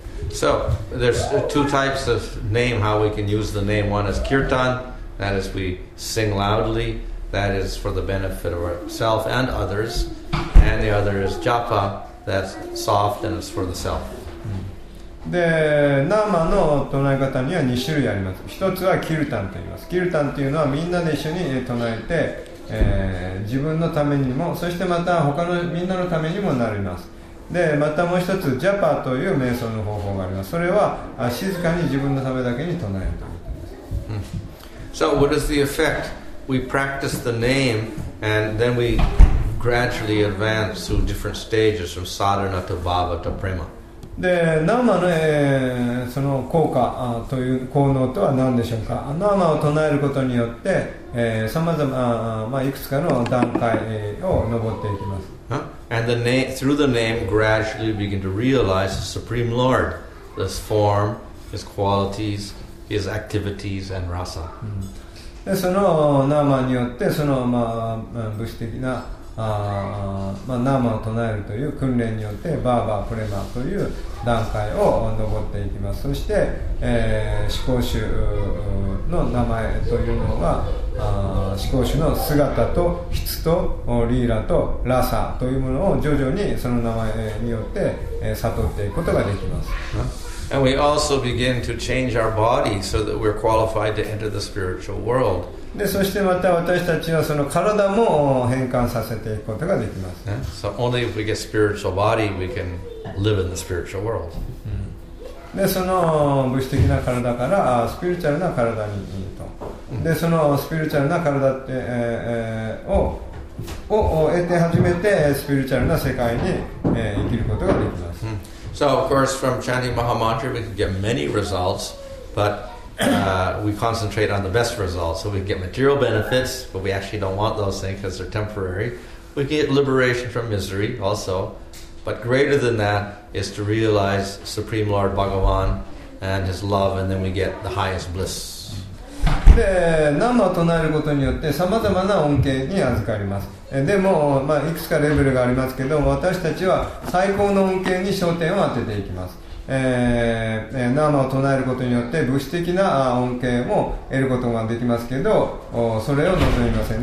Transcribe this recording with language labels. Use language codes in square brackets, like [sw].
[en] So, there's two types of name, how we can use the name. One is kirtan, that is we sing loudly, that is for the benefit of ourselves and others. And the other is japa, that's soft and it's for the self. [ja] で、ナーマの唱え方には2種類あります。一つはキルタンと言います。キルタンというのはみんなで一緒に唱えて、自分のためにも、そしてまた他のみんなのためにもなります。で、またもう一つジャパという瞑想の方法があります。それは静かに自分のためだけに唱えるということです。 [en] So what is the effect? We practice the name and then we... gradually advance through different stages from sadhana to bhava to prema. [ja] で、ナーマの、その効果という効能とは何でしょうか。ナーマを唱えることによって、さまざま、まあ、いくつかの段階を上っていきます。 [en] And the name, through the name, gradually you begin to realize the Supreme Lord, His form, His qualities, His activities, and rasa. [ja] で、そのナーマによって、その、まあ、物質的なまあ、ナーマを唱えるという訓練によってバーバープレマーという段階を上っていきます。そして、思考主の名前というのは思考主の姿と質とリーラとラサというものを徐々にその名前によって、悟っていくことができます。 [en] And we also begin to change our body so that we're qualified to enter the spiritual world. [ja] で、そしてまた私たちはその体も変換させていくことができます。 [en] So only if we get spiritual body, we can live in the spiritual world. [ja] で、その物質的な体からスピリチュアルな体にと。で、そのスピリチュアルな体って、を得て初めてスピリチュアルな世界に、生きることができます。 [en] So of course from chanting Mahamantra we can get many results, butWe concentrate on the best results. So we get material benefits, but we actually don't want those things because they're temporary. We get liberation from misery also. But greater than that is to realize Supreme Lord Bhagavan and His love, and then we get the highest bliss. [ja] で、ナマを唱えることによってさまざまな恩恵に預かります。でも、まあ、いくつかレベルがありますけど、私たちは最高の恩恵に焦点を当てていきます。ナーマを唱えることによって物質的な恩恵も得ることができますけど、それを望みません。